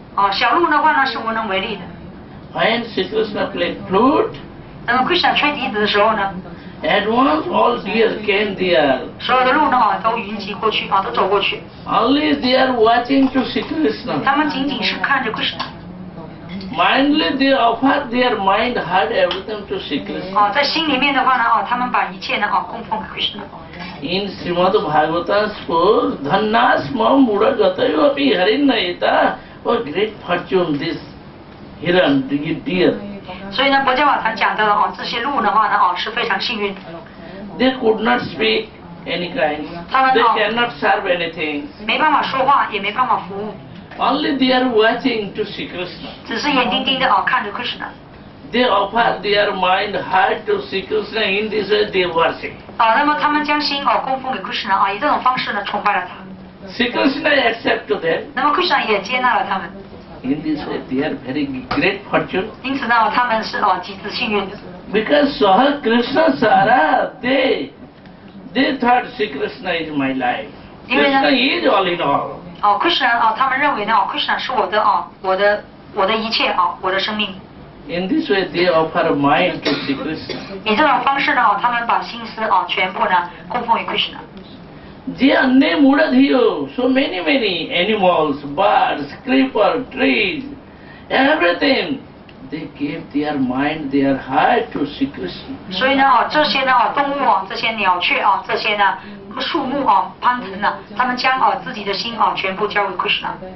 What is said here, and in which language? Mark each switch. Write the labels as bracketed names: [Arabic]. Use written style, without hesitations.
[Chinese] 小鹿的话呢是无能为力的。 [English] When Sri Krishna played flute. [Chinese] 那么 Krishna 吹笛子的时候呢 [English] At once, all deer came there. [Chinese] 所有的鹿呢，都云集过去，都走过去。 [English] Only they are watching to Sri Krishna. [Chinese] 他们仅仅是看着 Krishna. [English] Mindly, they offer their mind, heart, everything to Sri Krishna. [Chinese] 在心里面的话呢，他们把一切呢，供奉给 Krishna. [English] In Srimad Bhagavatam's book, [Sanskrit] Dhanasma Muragatayo Api Harinayita, [English] a great fortune this heron, deer. [Chinese] 所以呢国家网上讲的这些鹿的话呢是非常幸运的 [English] They could not speak any kind They cannot serve anything [Chinese] 没办法说话也没办法服务 [English] Only they are watching to Sri Krishna [Chinese] 只是眼睛盯着看着 Krishna [English] They offer their mind heart to Sri Krishna in this way they worship [Chinese] 那么他们将心供奉给 Krishna 以这种方式呢崇拜了他 [English] Sri Krishna accept them [Chinese] 那么 Krishna 也接纳了他们 [English] In this way, they are very great fortune. [Chinese] 因此呢，他们是极致幸运的。 [English] Because Saha Krishna Sara, they thought Sri Krishna is my life. Krishna is all in all. [Chinese] Krishna, 他们认为呢，Krishna 是我的一切我的生命。 [English] In this way, they offer mind to Sri Krishna. [Chinese] 以这种方式呢，他们把心思全部呢供奉于 Krishna. [Sanskrit] jiyanne mudadhiyo, [English] so many, many animals, birds, creepers, trees, everything, they gave their mind, their heart to Sri Krishna. [Chinese] 所以呢，这些呢，动物，这些鸟雀，这些呢，树木，攀藤呢，他们将自己的心，全部交给 Krishna。